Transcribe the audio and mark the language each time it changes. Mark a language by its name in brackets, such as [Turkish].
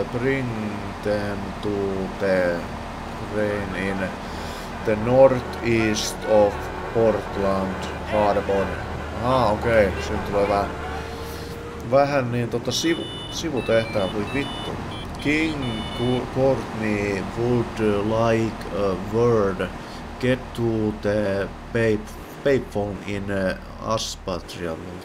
[English] Bring them to the train in the northeast of Portland Harbor. Okei. Okay. [Finnish] Siinä tulee vähän niin sivutehtävä, voi vittu. [English] King Courtney would like a word. Get to the payphone in Aspatria.